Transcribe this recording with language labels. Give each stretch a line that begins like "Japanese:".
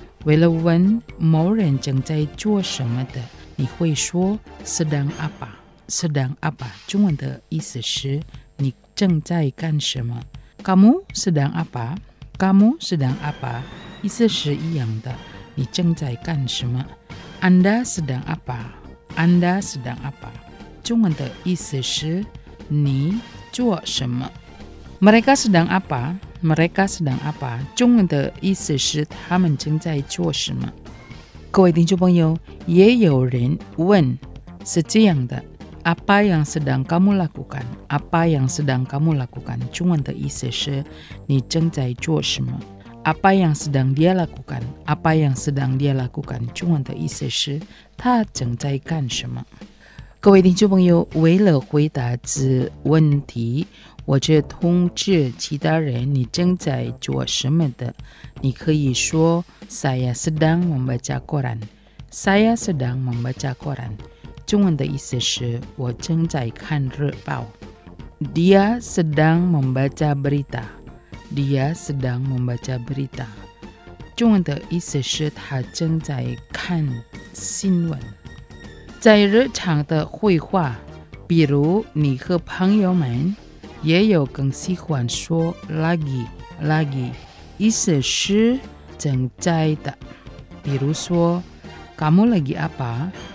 Chinese: 为了问某人正在做什么的，你会说
Indonesian: sedang apa， sedang apa
Chinese: 中文的意思是你正在干什么。
Indonesian: Kamu sedang apa， kamu sedang apa
Chinese: 意思是一样的，你正在干什么。
Indonesian: Anda sedang apa， anda sedang apa
Chinese: 中文的意思是你做什么。
Indonesian: Mereka sedang apa，Mereka sedang apa？
Chinese: 中文的意思是他们正在做什么。各位听众朋友，也有人问是这样的，
Indonesian: Apa yang sedang kamu lakukan？ Apa yang sedang kamu lakukan？
Chinese: 中文的意思是你正在做什么。
Indonesian: Apa yang sedang dia lakukan？ Apa yang sedang dia lakukan？
Chinese: 中文的意思是他正在干什么。各位听众朋友，为了回答这问题，我这通知其他人你正在做什么的，你可以说
Indonesian: Saya sedang membaca koran，
Chinese: Saya sedang membaca koran， 中文的意思是我正在看日报。
Indonesian: Dia sedang membaca berita. Dia sedang membaca berita.
Chinese: 中文的意思是他正在看新闻。在日常的会话， 比如你和朋友们， 也有更喜欢说
Indonesian: lagi lagi，
Chinese: 意思是正在的。比如说，
Indonesian: kamu lagi apa?